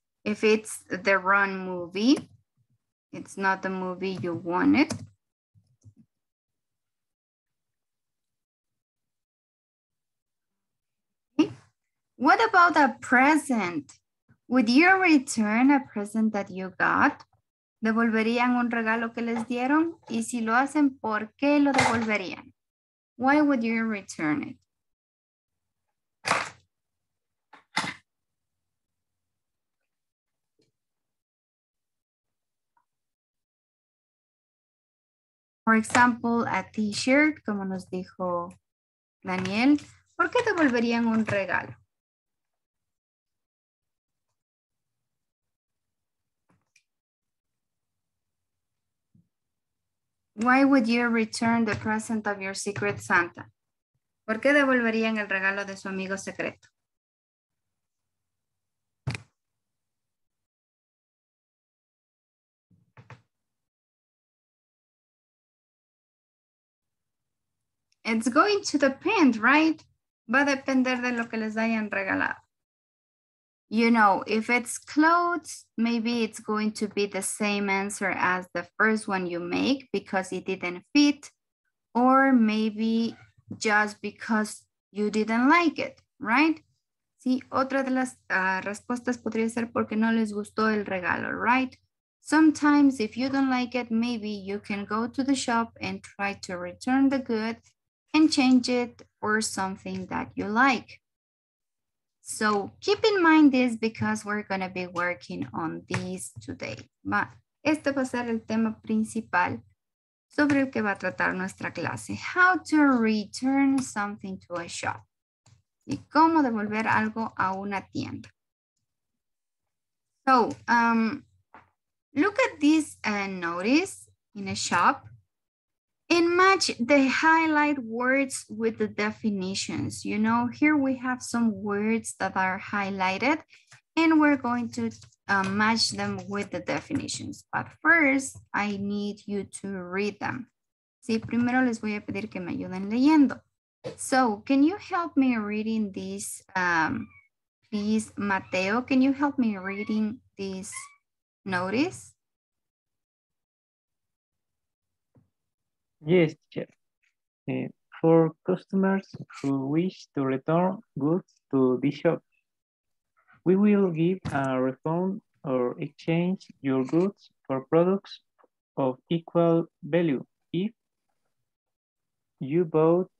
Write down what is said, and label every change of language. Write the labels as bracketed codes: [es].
[en] If it's the wrong movie, it's not the movie you wanted. What about a present? Would you return a present that you got? [es] ¿Devolverían un regalo que les dieron? Y si lo hacen, ¿por qué lo devolverían? [en] Why would you return it? For example, a t-shirt, [es] como nos dijo Daniel, ¿por qué devolverían un regalo? [en] Why would you return the present of your secret Santa? [es] ¿Por qué devolverían el regalo de su amigo secreto? [en] It's going to depend, right? [es] Va a depender de lo que les hayan regalado. [en] You know, if it's clothes, maybe it's going to be the same answer as the first one you make because it didn't fit, or maybe just because you didn't like it, right? [es] Sí, otra de las respuestas podría ser porque no les gustó el regalo, right? [en] Sometimes if you don't like it, maybe you can go to the shop and try to return the goods and change it for something that you like. So keep in mind this because we're going to be working on this today. [es] Este va a ser el tema principal sobre el que va a tratar nuestra clase. [en] How to return something to a shop. [es] Y cómo devolver algo a una tienda. [en] So look at this notice in a shop. And match the highlight words with the definitions. You know, here we have some words that are highlighted and we're going to match them with the definitions. But first, I need you to read them. [es] Sí, primero les voy a pedir que me ayuden leyendo. [en] So, can you help me reading this, please, Mateo? Can you help me reading this notice? Yes, Chair. For customers who wish to return goods to the shop, we will give a refund or exchange your goods for products of equal value if you bought